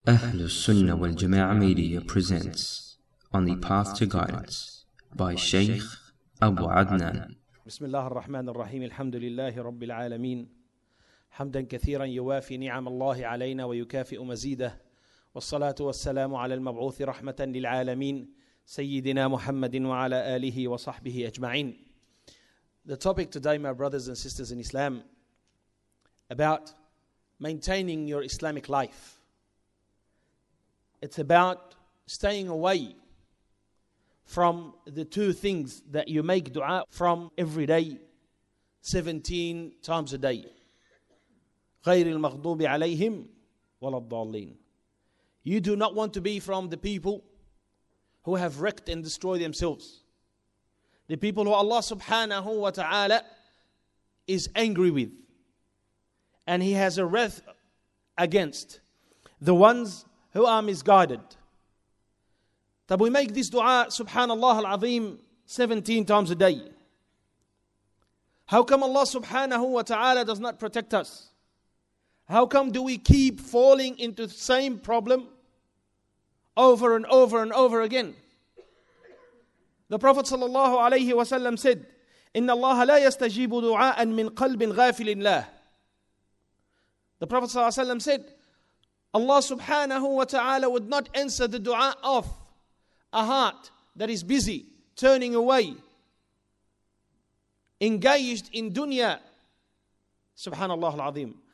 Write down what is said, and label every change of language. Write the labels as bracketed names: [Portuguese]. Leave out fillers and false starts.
[English] أهل السنة والجماعة media presents On the Path to Guidance by Sheikh أبو عدنان. [Arabic] بسم الله الرحمن الرحيم. الحمد لله رب العالمين، حمدا كثيرا يوافي نعم الله علينا ويكافئ مزيده، والصلاة والسلام على المبعوث رحمة للعالمين سيدنا محمد وعلى آله وصحبه أجمعين. [English] The topic today, my brothers and sisters in Islam, about maintaining your Islamic life. It's about staying away from the two things that you make dua from every day, 17 times a day. [Arabic] غير المغضوب عليهم ولا الضالين. [English] You do not want to be from the people who have wrecked and destroyed themselves. The people who Allah subhanahu wa ta'ala is angry with. And He has a wrath against the ones who are misguided. That we make this dua, subhanallah al-azim, 17 times a day. How come Allah subhanahu wa ta'ala does not protect us? How come do we keep falling into the same problem over and over and over again? [Arabic] The Prophet sallallahu alayhi wa sallam said, إِنَّ اللَّهَ لَا يَسْتَجِيبُ دُعَاءً مِنْ قَلْبٍ غَافِلٍ لَهُ. [English] The Prophet sallallahu alayhi wa sallam said, Allah subhanahu wa ta'ala would not answer the dua of a heart that is busy, turning away, engaged in dunya. Subhanallah al-azim.